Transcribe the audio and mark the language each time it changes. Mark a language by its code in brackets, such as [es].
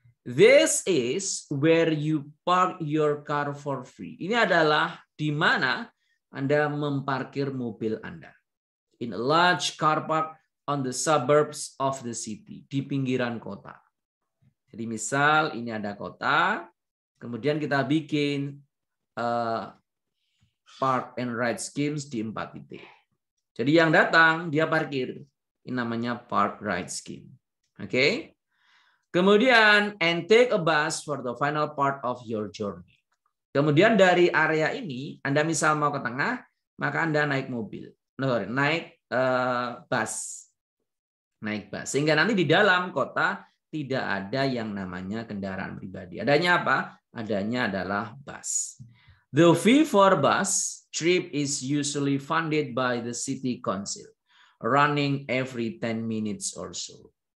[en] This is where you park your car for free. [id] Ini adalah di mana Anda memparkir mobil Anda. [en] In a large car park on the suburbs of the city, [id] di pinggiran kota. Jadi misal ini ada kota, kemudian kita bikin park and ride schemes di 4 titik. Jadi yang datang dia parkir. Ini namanya park ride scheme. Oke? [en] Kemudian, and take a bus for the final part of your journey. [id] Kemudian dari area ini, Anda misal mau ke tengah, maka Anda naik mobil. [en] No, sorry, [id] naik bus. Naik bus. Sehingga nanti di dalam kota tidak ada yang namanya kendaraan pribadi. Adanya apa? Adanya adalah bus. [en] The fee for bus trip is usually funded by the city council, running every 10 minutes or so.